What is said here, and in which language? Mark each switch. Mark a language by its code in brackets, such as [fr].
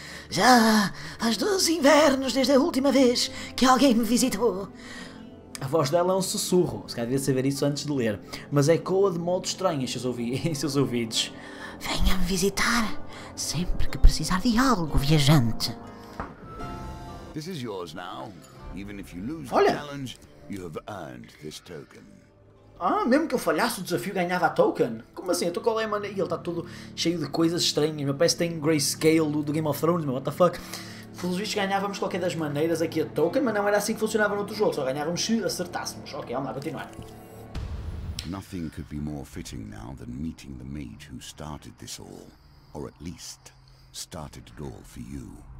[pt] Já há 12 invernos desde a última vez que alguém me visitou. A voz dela é um sussurro, se calhar devia saber isso antes de ler, mas ecoa de modo estranho em seus ouvidos. Venha me visitar sempre que precisar de algo, viajante. [en] This is yours now. Even if you lose the challenge, you have earned this token. [pt] Ah, mesmo que eu falhasse o desafio ganhava a token? Como assim? Eu estou com a Lemon e ele está todo cheio de coisas estranhas. Meu, parece que tem Grayscale do Game of Thrones, meu, [en] what the fuck? [pt] Pelos vistos ganhávamos qualquer das maneiras aqui a token, mas não era assim que funcionava noutro jogo. Só ganhávamos se acertássemos. Ok, vamos lá, continuar. [en] Nothing could be more fitting now than meeting the mage who started this all. Or at least, started it all for you.